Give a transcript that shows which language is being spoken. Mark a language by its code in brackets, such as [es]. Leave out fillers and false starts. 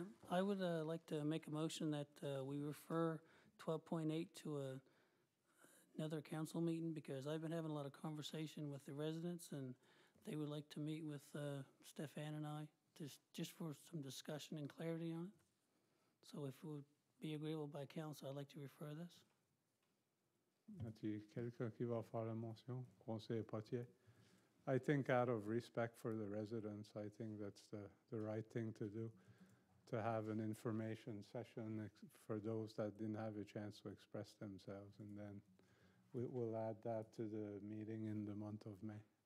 [en] I would like to make a motion that we refer 12.8 to another council meeting, because I've been having a lot of conversation with the residents, and they would like to meet with Stefan and I just for some discussion and clarity on it. So if it would be agreeable by council, I'd like to refer this. [fr] Y'a-t-il quelqu'un qui va faire la motion? Conseiller Potier. [en] I think out of respect for the residents, I think that's the right thing to do, to have an information session for those that didn't have a chance to express themselves. And then we will add that to the meeting in the month of May.